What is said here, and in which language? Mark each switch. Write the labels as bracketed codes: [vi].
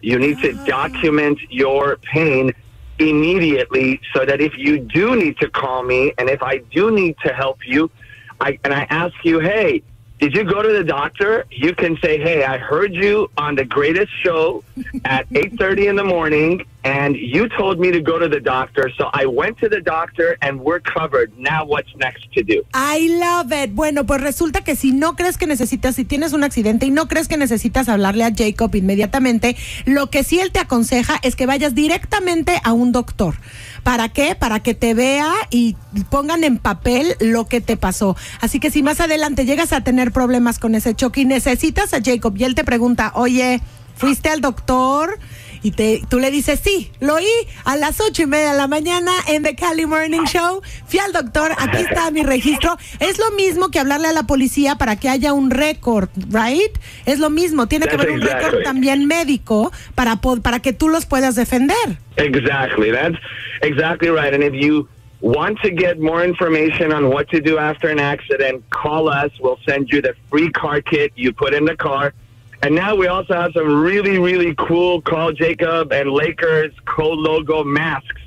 [en] You need to document your pain immediately so that if you do need to call me and if I do need to help you, I ask you, hey, did you go to the doctor? You can say, hey, I heard you on the greatest show at 8:30 in the morning and you told me to go to the doctor. So I went to the doctor and we're covered. Now what's next to do? I love it. [es] Bueno, pues resulta que si no crees que necesitas, si tienes un accidente y no crees que necesitas hablarle a Jacob inmediatamente, lo que sí él te aconseja es que vayas directamente a un doctor. ¿Para qué? Para que te vea y pongan en papel lo que te pasó. Así que si más adelante llegas a tener problemas con ese choque y necesitas a Jacob y él te pregunta, oye, ¿fuiste al doctor? Y tú le dices, sí, lo oí a las 8:30 a.m. en The Cali Morning Show. Fui al doctor, aquí está mi registro. Es lo mismo que hablarle a la policía para que haya un récord, ¿right? Es lo mismo, tiene que haber un récord también médico para que tú los puedas defender. [en] Exactly, that's exactly right. And if you want to get more information on what to do after an accident, call us. We'll send you the free car kit you put in the car. And now we also have some really, really cool Carl Jacob and Lakers co-logo masks.